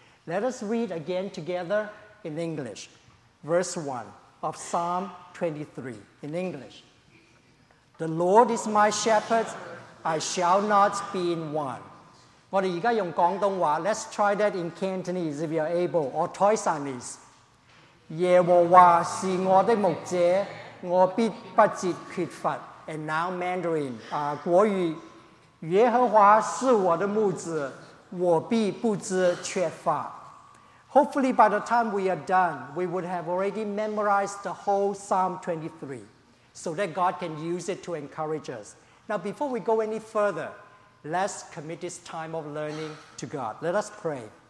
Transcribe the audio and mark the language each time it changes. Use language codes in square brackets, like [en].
[en] Let us read again together in English, verse 1 of Psalm 23 in English. The Lord is my shepherd, I shall not be in want. [zh] 我们现在用广东话 [en] ,let's try that in Cantonese if you are able, or Thai Chinese. [zh] 耶和华是我的牧者，我必不致缺乏。 [en] And now Mandarin, 国语。 [zh] 耶和华是我的牧者，我必不致缺乏。 [en] Hopefully by the time we are done, we would have already memorized the whole Psalm 23, so that God can use it to encourage us. Now before we go any further, let's commit this time of learning to God. Let us pray.